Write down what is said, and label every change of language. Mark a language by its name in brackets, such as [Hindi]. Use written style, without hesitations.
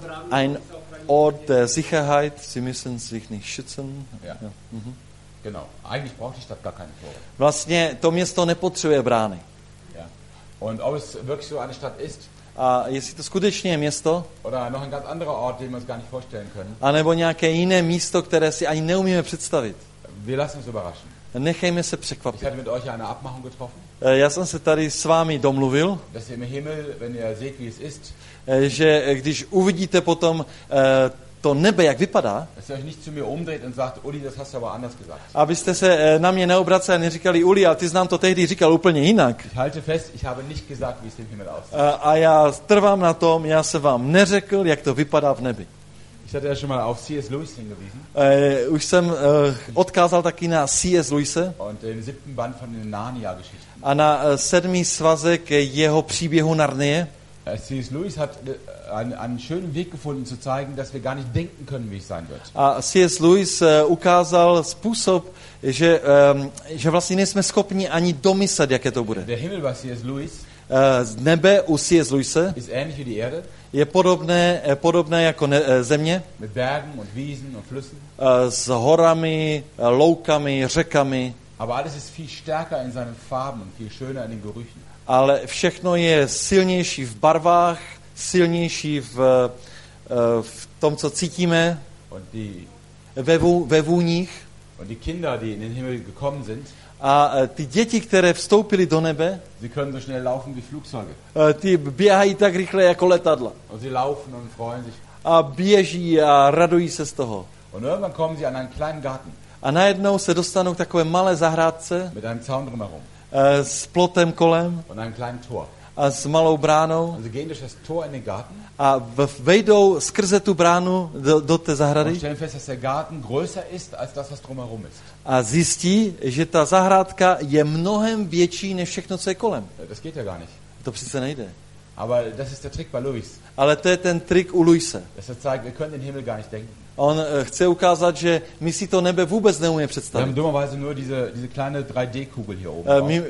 [German] Ein Ort der Sicherheit, Sie müssen sich nicht schützen. Ja. Genau, eigentlich braucht die Stadt gar keine Tore. [Czech] Vlastně to město nepotřebuje brány. [German] Ja. Und ob es wirklich so eine Stadt ist, [Czech] a jestli to skutečně je město, [German] oder noch ein ganz anderer Ort, den wir uns gar nicht vorstellen können, [Czech] anebo nějaké jiné místo, které si ani neumíme představit. [German] Wir lassen uns überraschen. [Czech] Nechejme se překvapit. [German] Ich hatte mit euch eine Abmachung getroffen. [Czech] Já jsem se tady s vámi domluvil, [German] dass ihr im Himmel, wenn ihr seht, wie es ist, [Czech] že když uvidíte potom to nebe, jak vypadá, [German] dass ihr euch nicht zu mir umdreht und sagt, Uli, das hast du aber anders gesagt. [Czech] Abyste se na mě neobracel a neříkali, Uli, a ty jsi nám to tehdy říkal úplně jinak. [German] Ich halte fest, ich habe nicht gesagt, wie es im Himmel aussieht. [Czech] A já trvám na tom, já se vám neřekl, jak to vypadá v nebi. [German] Ich hatte ja schon mal auf C.S. Lewis hingewiesen. [Czech] Už jsem odkázal taky na C.S. Lewise. [German] Und den siebten Band von den Narnia-Geschichten. [Czech] A na sedmý svazek jeho příběhu Narnie. [German] C.S. Lewis hat einen schönen Weg gefunden, zu zeigen, dass wir gar nicht denken können, wie es sein wird. [Czech] A C.S. Lewis ukázal způsob, že vlastně nejsme schopni ani domyslet, jaké to bude. [German] Der Himmel war C.S. Lewis. [Czech] Z nebe u C.S. Lewise [German] ist ähnlich wie die Erde. [Czech] Je podobné jako země. [German] Mit Bergen und Wiesen und Flüssen. [Czech] S horami, loukami, řekami. [German] Aber alles ist viel stärker in seinen Farben und viel schöner in den Gerüchen. [Czech] Ale všechno je silnější v barvách, silnější v tom, co cítíme, [German] und die, [Czech] ve vůních. [German] Und die Kinder, die in den Himmel gekommen sind, [Czech] a ty děti, které vstoupily do nebe, [German] sie können so schnell laufen wie Flugzeuge. [Czech] Ty běhají tak rychle jako letadla. [German] Und sie laufen und freuen sich. [Czech] A běží a radují se z toho. [German] Und irgendwann kommen sie an einen kleinen Garten. [Czech] A najednou se dostanou k takové malé zahrádce. [German] Mit einem Zaun drumherum. [Czech] S plotem kolem. [German] Und einem kleinen Tor. [Czech] A s malou bránou. [German] Und sie gehen durch das Tor in den Garten. [Czech] A vejdou skrze tu bránu do té zahrady. [German] Und stellen fest, dass der Garten größer ist als das, was drumherum ist. [Czech] A zjistí, že ta zahrádka je mnohem větší než všechno, co je kolem. [German] Das geht ja gar nicht. [Czech] To přece nejde. [German] Aber das ist der Trick bei Lewis. [Czech] Ale to je ten trik u Lewise. [German] Das zeigt, wir können den Himmel gar nicht denken. [Czech] On chce ukázat, že my si to nebe vůbec neumíme představit. [German] Wir haben dummerweise nur diese kleine 3D-Kugel hier oben.